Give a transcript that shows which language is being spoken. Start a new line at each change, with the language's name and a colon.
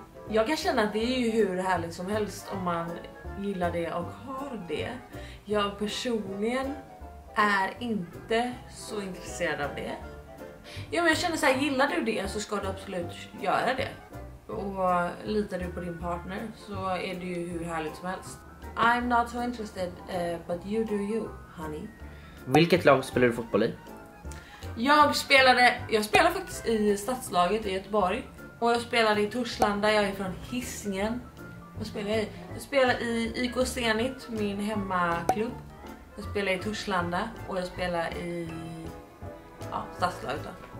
Swedish: Jag kan känna att det är ju hur härligt som helst om man gillar det och har det. Jag personligen är inte så intresserad av det. Ja, men jag känner så här, gillar du det så ska du absolut göra det. Och litar du på din partner så är det ju hur härligt som helst.
English: I'm not so interested, but you do you, honey.
Swedish: Vilket lag spelar du fotboll i? Jag spelar faktiskt i stadslaget i Göteborg. Och jag spelade i Torslanda, jag är från Hisingen. Vad spelar jag i? Jag spelar i IK Zenit, min hemmaklubb. Jag spelar i Torslanda och jag spelar i stadslaget då.